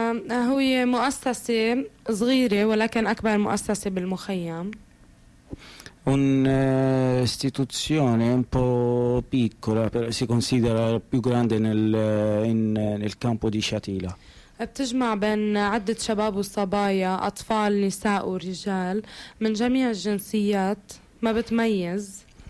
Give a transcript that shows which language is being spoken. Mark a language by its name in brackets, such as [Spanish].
[Arabic] هو مؤسسة صغيرة ولكن أكبر مؤسسة بالمخيم. [Italian] Un'istituzione un po' piccola, però si considera più grande nel campo di Shatila. [Arabic] بتجمع بين عدة شباب وصبايا، أطفال، نساء ورجال من جميع الجنسيات، ما بتميز.